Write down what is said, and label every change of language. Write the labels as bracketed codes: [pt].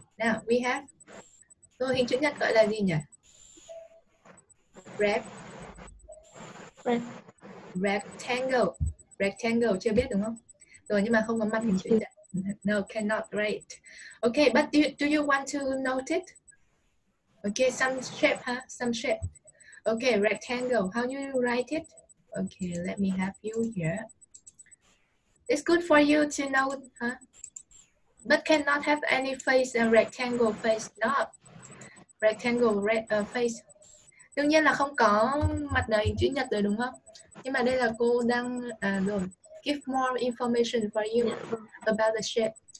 [en] Now, we have, [vi] rồi hình chữ nhật gọi là gì nhỉ? Rectangle. Rectangle, chưa biết đúng không? Rồi nhưng mà không có mặt hình chữ nhật. [en] No, cannot, right? Okay, but do you want to note it? Okay, some shape, huh? Some shape. Okay, rectangle. How do you write it? Okay, let me have you here. It's good for you to know, huh? But cannot have any face, a rectangle face, not rectangle face. [vi] Đương nhiên là không có mặt nào hình chữ nhật rồi đúng không? Nhưng mà đây là cô đang [en] give more information for you about the shape.